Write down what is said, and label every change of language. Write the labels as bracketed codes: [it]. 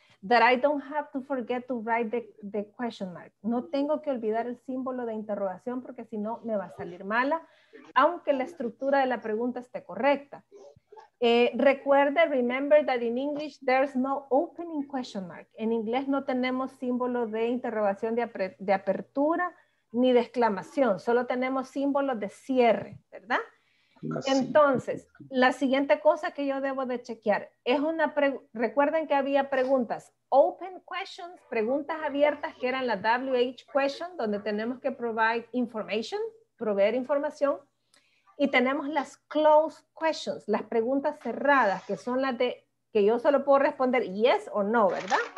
[en] That I don't have to forget to write the question mark. [es] No tengo que olvidar el símbolo de interrogación porque si no me va a salir mala, aunque la estructura de la pregunta esté correcta. [en] Recuerde, remember that in English there's no opening question mark. [es] En inglés no tenemos símbolo de interrogación de apertura ni de exclamación, solo tenemos símbolo de cierre, ¿verdad? Entonces, la siguiente cosa que yo debo de chequear es una recuerden que había preguntas, open questions, preguntas abiertas que eran la WH question, donde tenemos que [en] provide information, [es] proveer información, y tenemos las closed questions, las preguntas cerradas, que son las de que yo solo puedo responder yes o no, ¿verdad?